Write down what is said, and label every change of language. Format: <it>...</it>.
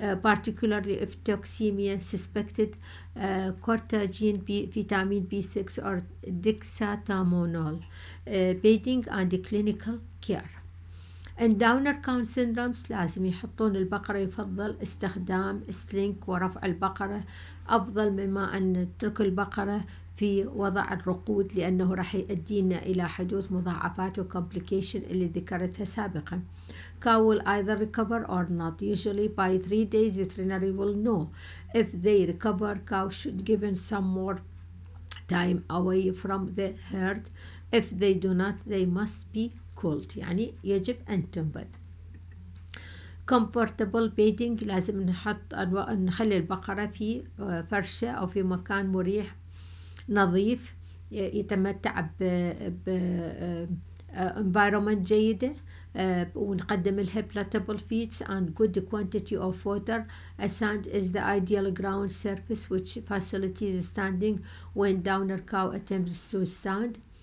<en>Particularly if toxemia suspected cortagene vitamin B6 or dexatamonol bedding and clinical care and downer cow syndromes</en> <ar>لازم يحطون البقرة يفضل استخدام سلينك ورفع البقرة أفضل مما أن نترك البقرة في وضع الرقود لأنه راح يؤدينا إلى حدوث مضاعفات وcomplication اللي ذكرتها سابقا</ar> <en>Cow will either recover or not. Usually by 3 days, veterinary will know. If they recover, cow should given some more time away from the herd. If they do not, they must be culled.</en> <ar>يعني يجب أن تنبت.</ar> <en>Comfortable bedding.</en> <ar>لازم نخلي البقرة في فرشة أو في مكان مريح نظيف. يتمتع ب environment جيدة. ونقدم لها</ar> <en>portable feeds and good quantity of water. A sand is the ideal ground surface which facilitates standing when downer cow attempts to stand.</en>